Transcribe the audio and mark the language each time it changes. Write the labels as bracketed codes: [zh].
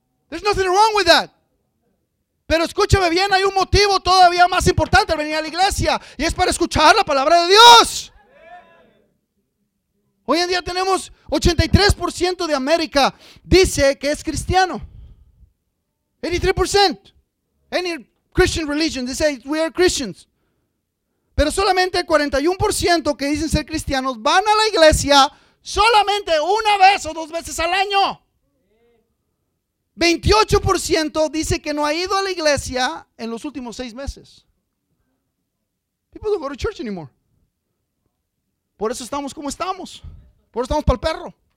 [en] There's nothing wrong with that. [es] Pero escúchame bien, hay un motivo todavía más importante al venir a la iglesia. Y es para escuchar la palabra de Dios. Hoy en día tenemos 83% de América dice que es cristiano. 83%. [en] Any Christian religion, they say we are Christians. [es] Pero solamente el 41% que dicen ser cristianos van a la iglesia solamente una vez o dos veces al año. 28% dice que no ha ido a la iglesia en los últimos 6 meses. [en] People don't go to church anymore. [es] Por eso estamos como estamos. Por eso estamos para el perro.